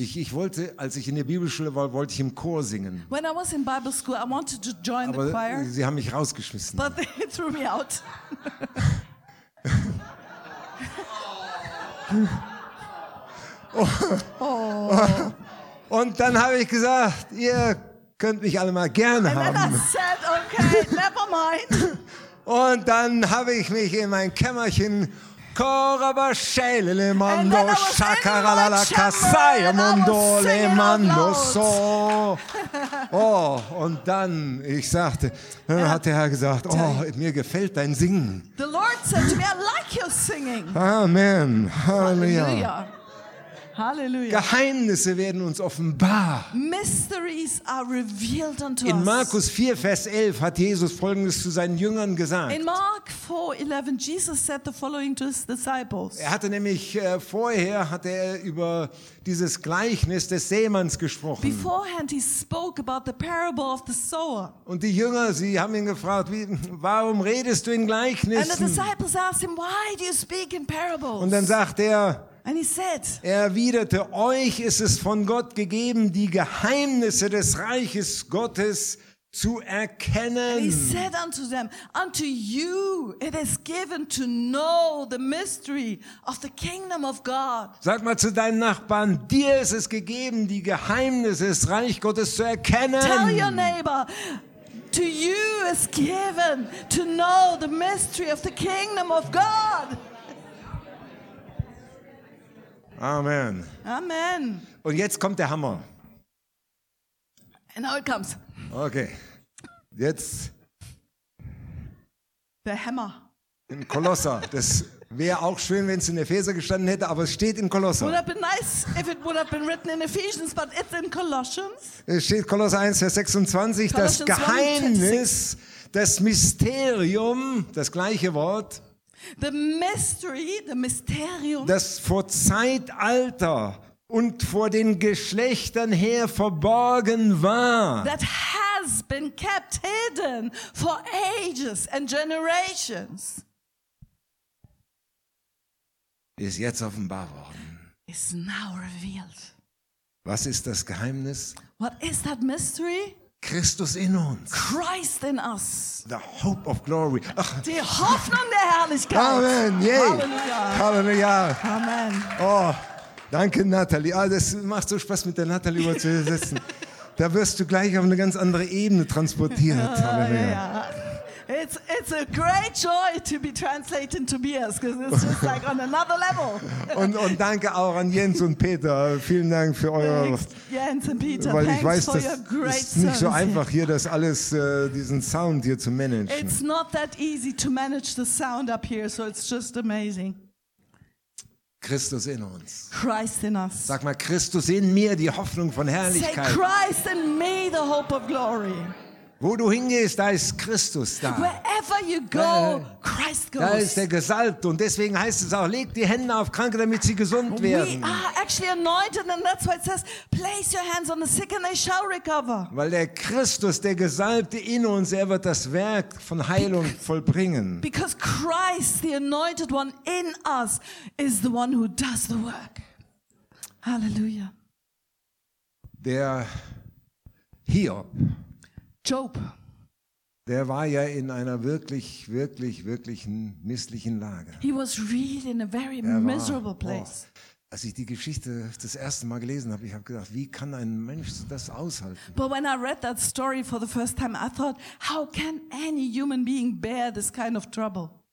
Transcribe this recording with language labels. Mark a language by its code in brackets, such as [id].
[de] Ich wollte, als ich in der Bibelschule war, wollte ich im Chor singen. [en] When I was in Bible school, I wanted to join [de] aber [en] the choir. [de] Aber sie haben mich rausgeschmissen. [en] But they threw me out. [de] Und dann habe ich gesagt, ihr könnt mich alle mal gerne haben. [en] Said, okay, never mind. [de] Und dann habe ich mich in mein Kämmerchen korabaschelele mando shakaralala kasaya mando le mando so. Oh, und dann, ich sagte, dann hat der Herr gesagt, oh, mir gefällt dein Singen. [en] The Lord said to me, I like your singing. Amen. [de] Halleluja. Halleluja. Geheimnisse werden uns offenbar. [en] Mysteries are revealed unto us. [de] In Markus 4, Vers 11 hat Jesus Folgendes zu seinen Jüngern gesagt. [en] In Mark 4, 11, Jesus said the following to his disciples. [de] Er hatte nämlich vorher über dieses Gleichnis des Sämanns gesprochen. [en] Beforehand he spoke about the parable of the sower. [de] Und die Jünger, sie haben ihn gefragt, warum redest du in Gleichnissen? [en] And the disciples asked him, why do you speak in parables? [de] Und dann sagt er, [en] and he said, [de] er erwiderte, euch ist es von Gott gegeben, die Geheimnisse des Reiches Gottes zu erkennen. [en] And he said unto them, unto you it is given to know the mystery of the kingdom of God. [de] Sag mal zu deinen Nachbarn, dir ist es gegeben, die Geheimnisse des Reich Gottes zu erkennen. [en] Tell your neighbor, to you is given to know the mystery of the kingdom of God. Amen. Amen. [de] Und jetzt kommt der Hammer. [en] And now it comes. [de] Okay. Jetzt. Der Hammer. In Kolosser. Das wäre auch schön, wenn es in Epheser gestanden hätte, aber es steht in Kolosser. [en] Would have been nice if it would have been written in Ephesians, but it's in Colossians. [de] Es steht Kolosser 1, Vers 26. Das Geheimnis, das Mysterium, das gleiche Wort. [en] The mystery, the mysterium, [de] das vor Zeitalter und vor den Geschlechtern her verborgen war, [en] that has been kept hidden for ages and generations, [de] ist jetzt offenbar worden. [en] Is now revealed. [de] Was ist das Geheimnis? [en] What is that mystery? [de] Christus in uns. [en] Christ in us. The hope of glory. [de] Ach. Die Hoffnung der Herrlichkeit. [en] Amen. Yay. [de] Halleluja. Halleluja. Amen. Oh, danke, Nathalie. Ah, das macht so Spaß, mit der Nathalie über zu sitzen. Da wirst du gleich auf eine ganz andere Ebene transportiert. [en] Halleluja. Yeah. It's a great joy to be translating Tobias, because it's just like on another level. [de] Und danke auch an Jens und Peter. Vielen Dank für euer... Jens und Peter, weil [en] thanks for your great service. [de] Weil ich weiß, es ist nicht so einfach, hier das alles, diesen Sound hier zu managen. [en] It's not that easy to manage the sound up here, so it's just amazing. [de] Christus in uns. [en] Christ in us. [de] Sag mal, Christus in mir, die Hoffnung von Herrlichkeit. [en] Say, Christ in me, the hope of glory. [de] Wo du hingehst, da ist Christus da. [en] Wherever you go, Christ goes. [de] Da ist der Gesalbte. Und deswegen heißt es auch, leg die Hände auf Kranke, damit sie gesund werden. [en] We are actually anointed, and that's why it says, place your hands on the sick and they shall recover. [de] Weil der Christus, der Gesalbte in uns, er wird das Werk von Heilung vollbringen. [en] Because Christ, the anointed one in us, is the one who does the work. [de] Halleluja. Der Hiob. [en] Job. [de] Der war ja in einer wirklich, wirklich, wirklich misslichen Lage. [en] He was really in a very miserable place. [de] Oh, als ich die Geschichte das erste Mal gelesen habe, ich habe gedacht, wie kann ein Mensch das aushalten? [en] But when I read that story for the first time, I thought, how can any human being bear this kind of trouble?